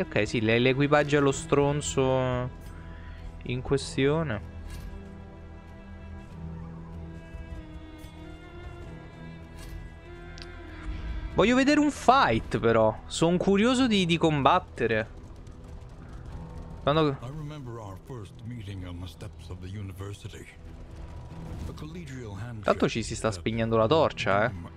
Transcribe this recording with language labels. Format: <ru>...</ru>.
<it>Ok, sì, l'equipaggio allo stronzo in questione. Voglio vedere un fight, però. Sono curioso di combattere. Quando...</it> <en>I remember our first meeting on the steps of the university. A collegial handshake.</en> <it>Tanto ci si sta spegnendo la torcia, eh.</it>